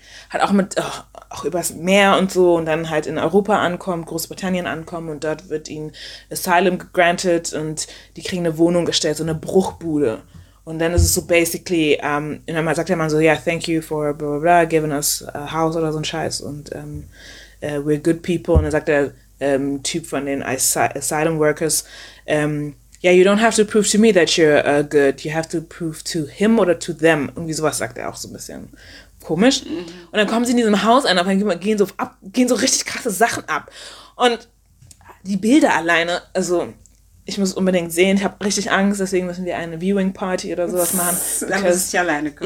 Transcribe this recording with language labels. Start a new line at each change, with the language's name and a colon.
German: Hat auch auch übers Meer und so und dann halt in Europa ankommt, Großbritannien ankommt und dort wird ihnen Asylum granted und die kriegen eine Wohnung gestellt, so eine Bruchbude. Und dann ist es so basically, man sagt ja mal so,
English: yeah, thank you for blah, blah, blah, giving us a house
German: oder so ein Scheiß und
English: we're good people.
German: Und dann sagt der Typ von den
English: Asylum Workers, yeah, you don't have to prove to me that you're good, you have to prove to him
German: oder
English: to them.
German: Irgendwie sowas sagt er auch so ein bisschen komisch. Und dann kommen sie in diesem Haus an, auf einmal gehen so richtig krasse Sachen ab. Und die Bilder alleine, also... Ich muss unbedingt sehen. Ich habe richtig Angst. Deswegen müssen wir eine Viewing Party oder sowas machen. Dann muss ich alleine gucken.